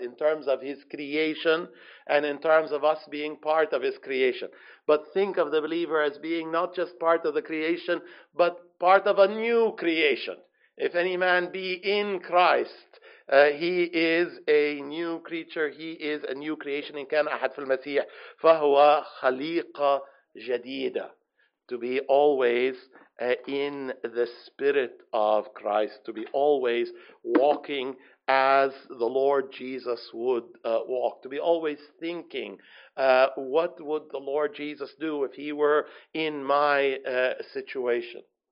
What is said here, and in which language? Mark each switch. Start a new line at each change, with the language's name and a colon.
English: In terms of his creation and in terms of us being part of his creation. But think of the believer as being not just part of the creation, but part of a new creation. If any man be in Christ, he is a new creature, he is a new creation.
Arabic: إن كان أحد في المسيح فهو خليقة جديدة.
English: To be always in the Spirit of Christ, to be always walking as the Lord Jesus would walk, to be always thinking, what would the Lord Jesus do if he were in my situation?